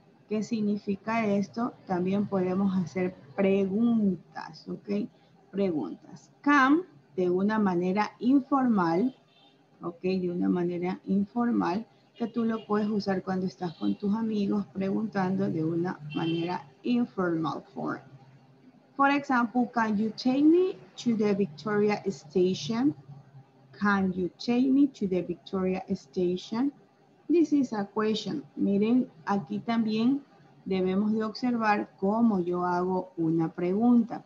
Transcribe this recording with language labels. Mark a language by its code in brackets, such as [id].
[es] ¿Qué significa esto? También podemos hacer preguntas, ¿ok? Preguntas. Can, de una manera informal, ok, de una manera informal, que tú lo puedes usar cuando estás con tus amigos preguntando de una manera informal form. [en] For example, can you take me to the Victoria Station? Can you take me to the Victoria Station? This is a question. [es] Miren, aquí también debemos de observar cómo yo hago una pregunta.